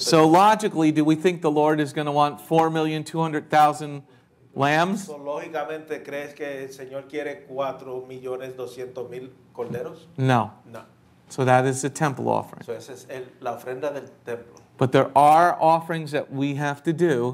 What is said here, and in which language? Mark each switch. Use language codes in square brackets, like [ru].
[en] So logically, do we think the Lord is going to want 4,200,000 lambs? [es] So lógicamente, ¿crees que el Señor quiere 4,200,000 corderos? [en] No. [es] No. [en] So that is the temple offering. [es] So esa es la ofrenda del templo. [en] But there are offerings that we have to do.